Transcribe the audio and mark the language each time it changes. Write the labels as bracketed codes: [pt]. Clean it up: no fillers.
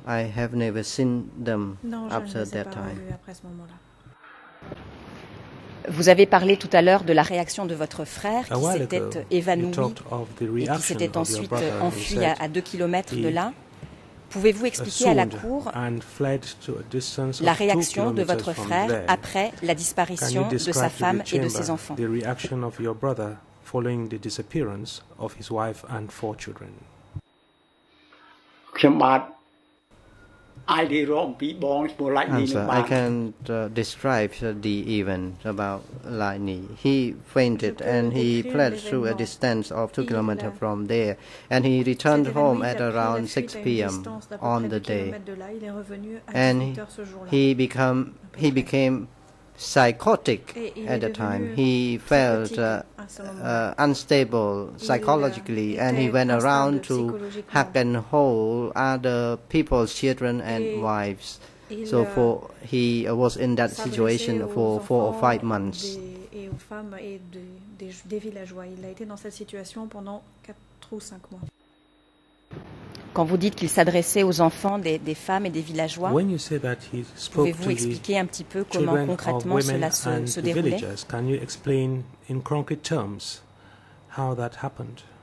[en] I have never seen them after that time. [fr] Vous avez parlé tout à l'heure de la réaction de votre frère qui s'était évanoui et qui s'était ensuite enfui à 2 kilomètres de là. Pouvez-vous expliquer à la cour la réaction de votre frère après la disparition de sa femme et de ses enfants? [en] The reaction of your brother following the disappearance of his wife and four children. Answer, I can't describe the event about Lightning. He fainted and he fled to a distance of 2 kilometers from there, and he returned home at around 6 p.m. on the day. And he became psychotic at the time. He felt unstable psychologically, and he went around to hug and hold other people's children and wives. So he was in that situation for 4 or 5 months. [fr] Et aux femmes et des villageois, il a été dans cette situation pendant 4 ou 5 mois. Quand vous dites qu'il s'adressait aux enfants des femmes et des villageois, pouvez-vous expliquer un petit peu comment concrètement cela se déroulait? [en] Can you explain in concrete terms how that happened?